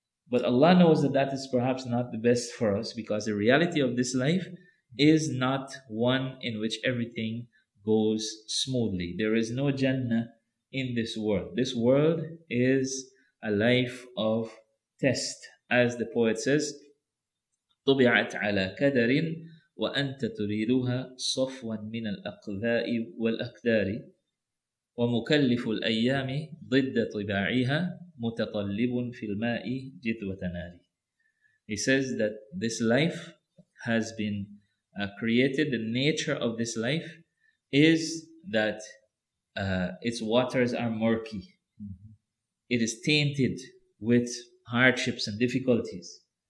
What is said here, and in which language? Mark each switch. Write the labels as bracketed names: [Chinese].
[English] But Allah knows that that is perhaps not the best for us, because the reality of this life is not one in which everything goes smoothly. There is no Jannah in this world. This world is a life of test. As the poet says, [Arabic] طُبِعَتْ عَلَى كَدَرٍ وَأَنْتَ تُرِيدُهَا صَفْوًا مِنَ الْأَقْذَاءِ وَالْأَكْدَارِ وَمُكَلِّفُ الْأَيَّامِ ضِدَّ طِبَاعِهَا مُتَطَلِّبٌ فِي الْمَاءِ جِذْوَ تَنَارِ. [English] He says that this life has been created. The nature of this life is that its waters are murky. Mm-hmm. It is tainted with hardships and difficulties.